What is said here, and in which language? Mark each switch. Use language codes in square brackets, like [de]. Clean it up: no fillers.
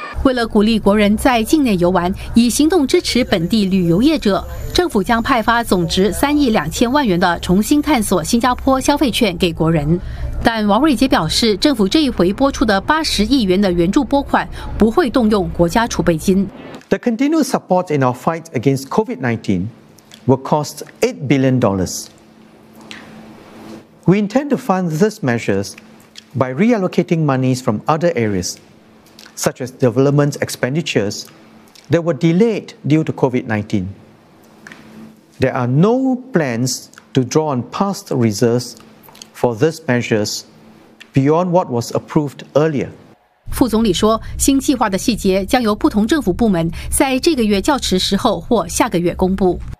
[zh] 为了鼓励国人在境内游玩，以行动支持本地旅游业者，政府将派发总值3.2亿元的重新探索新加坡消费券给国人。但王瑞杰表示，政府这一回拨出的80亿元的援助拨款不会动用国家储备金。 [en] The continued support in our fight against COVID-19 will cost $8 billion. We intend to fund these measures by reallocating monies from other areas, such as development expenditures that were delayed due to COVID-19. There are no plans to draw on past reserves. For these measures beyond what was approved earlier. [zh] 副总理说，新计划的细节将由不同政府部门在这个月较迟时候或下个月公布。